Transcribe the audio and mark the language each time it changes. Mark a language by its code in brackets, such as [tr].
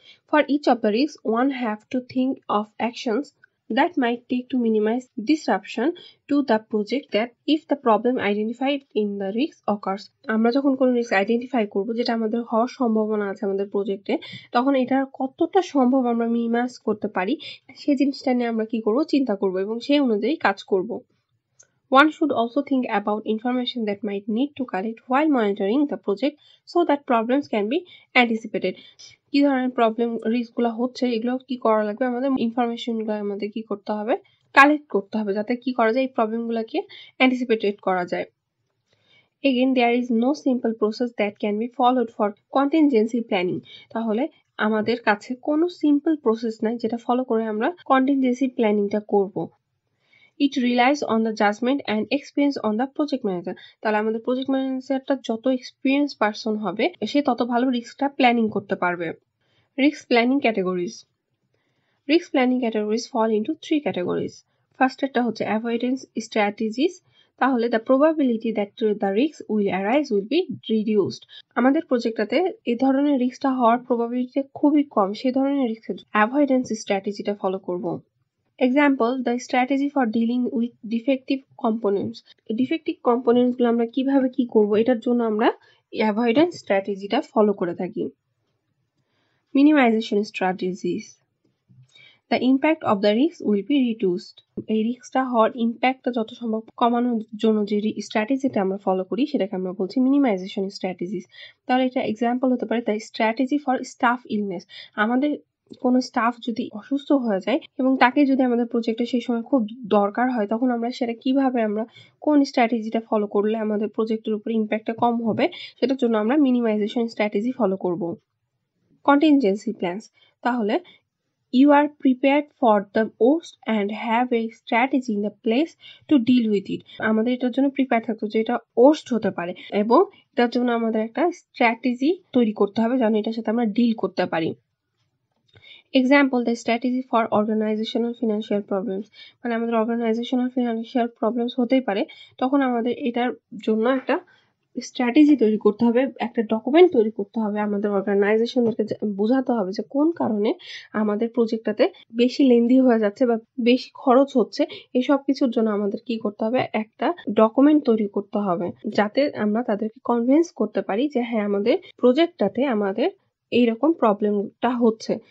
[en] For each of the risk one have to think of actions that might take to minimise disruption to the project that if the problem identified in the risk occurs. [bn] আমরা যখন কোনো risk identify করবো, যেটা আমাদের হওয়ার সম্ভাবনা আছে আমাদের প্রজেক্টে, তখন এটার কতটা সম্ভব আমরা মিনিমাইজ করতে পারি, সেই জিনিসটা নিয়ে আমরা কী করবো চিন্তা করবো এবং সেই অনুযায়ী কাজ করবো। [en] One should also think about information that might need to collect while monitoring the project so that problems can be anticipated. [bn] কি ধরনের প্রবলেম রিস্কগুলো হচ্ছে, এগুলো কি করা লাগবে, আমাদের ইনফরমেশনগুলো আমাদের কি করতে হবে, কালেক্ট করতে হবে, যাতে কি করা যায়, এই প্রবলেমগুলোকে অ্যান্টিসিপেটেড করা যায়। [en] Again, there is no simple process that can be followed for contingency planning. [bn] তাহলে আমাদের কাছে কোনো সিম্পল প্রসেস নাই যেটা ফলো করে আমরা কন্টিনজেন্সি প্ল্যানিংটা করব। [en] It relies on the judgment and experience on the project manager. [bn] তাহলে আমাদের প্রজেক্ট ম্যানেজারটা যত এক্সপিরিয়েন্স পারসন হবে, সে তত ভালো রিস্কটা প্ল্যানিং করতে পারবে। [en] Risk planning categories, risk planning categories fall into three categories. [bn] ফার্স্টটা হচ্ছে [en] Avoidance strategies, তাহলে the probability that the risk will arise will be reduced. [bn] আমাদের প্রজেক্টটাতে এই ধরনের রিস্কটা হওয়ার প্রবাবিলিটি খুবই কম, সেই ধরনের রিস্ক অ্যাভয়েডেন্স স্ট্র্যাটেজিটা ফলো করব। [en] Example, the strategy for dealing with defective components. [bn] Defective components গুলো আমরা কিভাবে কি করব, এটার জন্য আমরা অ্যাভয়েডেন্স স্ট্র্যাটেজিটা ফলো করে থাকি। [en] Minimisation strategies, the impact of the risk will be reduced. [bn] এই রিস্কটা হওয়ার ইম্প্যাক্টটা যত সম্ভব কমানোর জন্য যে স্ট্র্যাটেজিটা আমরা ফলো করি, সেটাকে আমরা বলছি মিনিমাইজেশন স্ট্র্যাটেজিস। তাহলে এটা এক্সাম্পল হতে পারে, [en] The strategy for staff illness. [bn] আমাদের কোনো স্টাফ যদি অসুস্থ হয়ে যায় এবং তাকে যদি আমাদের প্রজেক্টে সেই সময় খুব দরকার হয়, তখন আমরা সেটা কিভাবে, আমরা কোন স্ট্র্যাটেজিটা ফলো করলে আমাদের প্রজেক্টের উপর ইম্প্যাক্টটা কম হবে, সেটার জন্য আমরা মিনিমাইজেশন স্ট্র্যাটেজি ফলো করব। [en] Contingency plans, তাহলে you are prepared for the worst and have a strategy in the place to deal with it. [bn] আমাদের এটার জন্য প্রিপেয়ার থাকতো যে এটা ওয়ার্স্ট হতে পারে, এবং এটার জন্য আমাদের একটা স্ট্র্যাটেজি তৈরি করতে হবে যেন এটার সাথে আমরা ডিল করতে পারি। [en] Example, the strategy for organizational financial problems. [bn] মানে আমাদের organizational financial problems হতেই পারে, তখন আমাদের এটার জন্য একটা স্ট্র্যাটেজি তৈরি করতে হবে, একটা ডকুমেন্ট তৈরি করতে হবে, আমাদের অর্গানাইজেশনদেরকে বোঝাতে হবে যে কোন কারণে আমাদের প্রজেক্টটাতে বেশি লেন্দি হয়ে যাচ্ছে বা বেশি খরচ হচ্ছে, এসব কিছুর জন্য আমাদের কি করতে হবে, একটা ডকুমেন্ট তৈরি করতে হবে, যাতে আমরা তাদেরকে কনভিন্স করতে পারি যে হ্যাঁ, আমাদের প্রজেক্টটাতে আমাদের এইরকম প্রবলেমটা হচ্ছে।